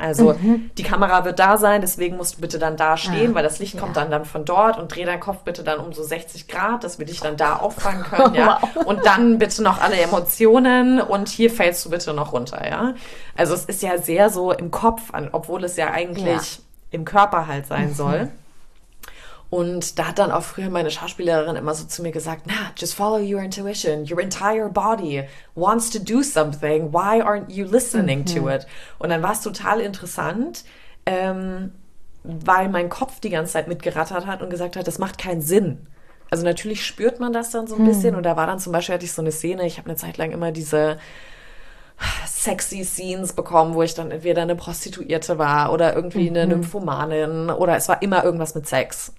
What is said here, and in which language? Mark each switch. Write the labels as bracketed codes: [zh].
[de] Also die Kamera wird da sein, deswegen musst du bitte dann da stehen, weil das Licht kommt dann von dort und dreh deinen Kopf bitte dann um so 60 Grad, dass wir dich dann da auffangen können, ja, und dann bitte noch alle Emotionen und hier fällst du bitte noch runter, ja, also es ist ja sehr so im Kopf, obwohl es ja eigentlich im Körper halt sein soll. Und da hat dann auch früher meine Schauspielerin immer so zu mir gesagt, na, [en] just follow your intuition. Your entire body wants to do something. Why aren't you listening to it? [de] Und dann war es total interessant, weil mein Kopf die ganze Zeit mitgerattert hat und gesagt hat, das macht keinen Sinn. Also natürlich spürt man das dann so ein bisschen. Und da war dann zum Beispiel, hatte ich so eine Szene, ich habe eine Zeit lang immer diese sexy Scenes bekommen, wo ich dann entweder eine Prostituierte war oder irgendwie eine Nymphomanin oder es war immer irgendwas mit Sex.